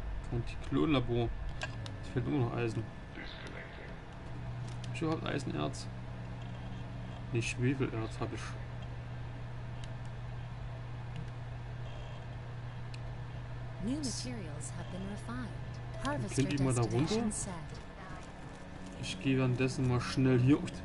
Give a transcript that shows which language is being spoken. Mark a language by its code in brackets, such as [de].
[de] Und die Klonlabor. Es fehlt immer noch Eisen. Ich habe Eisenerz. Nicht Schwefelerz habe ich. [en] New materials have been refined. Harvester destination set. [de] Ich mal da runter. Ich gehe währenddessen mal schnell hier.